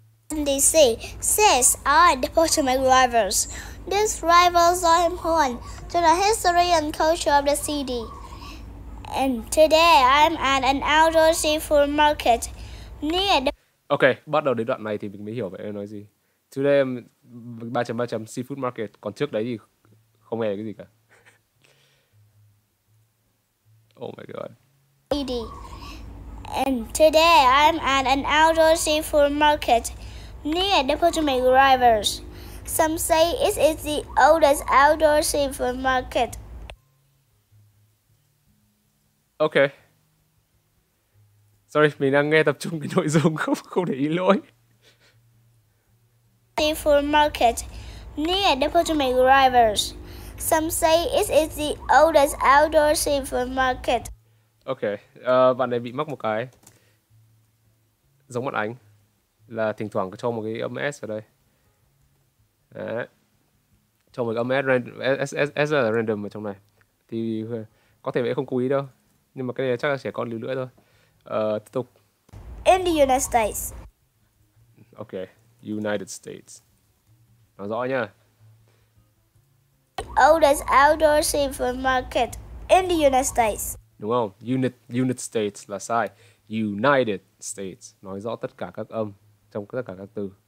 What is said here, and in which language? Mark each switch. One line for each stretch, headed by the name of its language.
English: DC says I deported my rivals. These rivals are important to the history and culture of the city. And today I'm at an outdoor seafood market near the...
Vietnamese: Okay, bắt đầu đến đoạn này thì mình mới hiểu vậy em nói gì.
English: Today I'm 3.3. seafood market.
Vietnamese: Còn trước đấy thì không nghe cái gì cả.
English: Oh my god. City. And today I'm at an outdoor seafood market near the Potomac Rivers. Some say it is the oldest outdoor seafood market. Okay.
Vietnamese: Sorry, mình đang nghe tập trung cái nội dung, không để ý lỗi.
English: Seafood market near the Potomac Rivers. Some say it is the oldest outdoor seafood market.
Vietnamese: Okay, bạn này bị mắc một cái giống bọn anh. Là thỉnh thoảng cho một cái âm S vào đây. Đấy. Cho một cái âm S là random ở trong này. Thì có thể mẹ không cố ý đâu. Nhưng mà cái này chắc là trẻ con lưu lưỡi thôi. Tiếp tục.
English: In the United States. Okay, United States.
Vietnamese: Nói rõ nhá.
English: The oldest outdoor seafood market in the United States.
Vietnamese: Đúng không? United States là sai. United States. Nói rõ tất cả các âm trong tất cả các từ.